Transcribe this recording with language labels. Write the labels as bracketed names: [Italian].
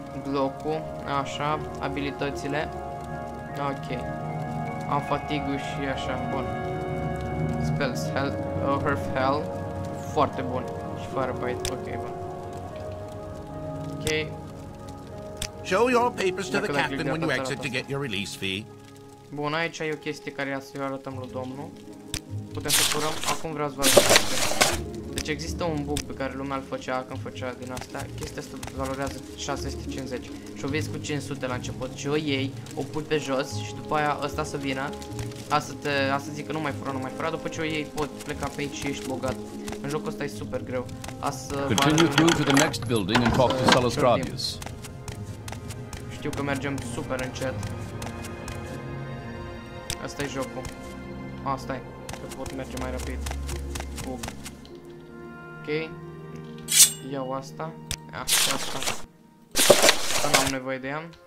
[Romanian] Glocu, așa, abilitățile. Ok. Am fatigu și așa, bun. [English] Spells, health, earth, hell. [Romanian] Foarte bun. Și firebite, ok, bun. Ok. [English] Show your papers to the captain when you exit to get your release fee. [Romanian] Bun, aici e o chestie care ia să-i arătăm lui domnul. Putem să furăm, acum vreau să vă arătăm. Deci există un bug pe care lumea îl făcea când făcea din asta. Chestia asta valorează 650 și o vezi cu 500 la început. Și o iei, o pui pe jos și după aia ăsta să vină. Asta zic că nu mai fură, nu mai fură. După ce o iei, pot pleca pe aici și ești bogat. În jocul ăsta e super greu. [English] Continue through to the next building and talk to Salastravius. [Romanian] Știu că mergem super încet. Asta e jocul. Asta e. Că pot merge mai rapid. Bug. Ok, iau asta, asta. Asta n-am nevoie de ea.